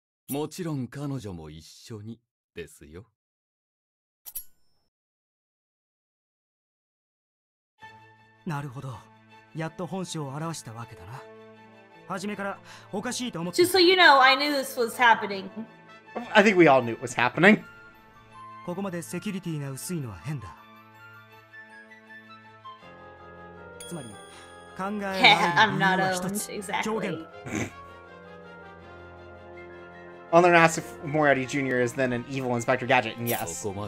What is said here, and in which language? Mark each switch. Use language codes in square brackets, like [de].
[ja] もちろん彼女も一緒にですよ。なるほど。やっと本性を現したわけだな。初めからおかしいと思って。 [en] Just so you know, I knew this was happening. I think we all knew it was happening. [ja] ここまでセキュリティが薄いのは変だ。つまり、考えられる理由の一つ、表現。 [en] Alner asks if Moriarty Jr. is then an evil Inspector Gadget, and yes.